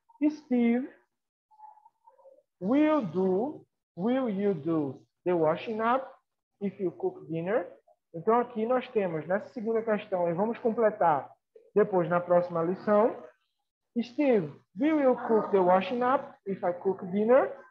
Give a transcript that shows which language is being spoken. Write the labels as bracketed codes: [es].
[en] Steve, will you do the washing up if you cook dinner? [pt] Então, aqui nós temos, nessa segunda questão, e vamos completar depois na próxima lição. [en] Steve, will you cook the washing up if I cook dinner?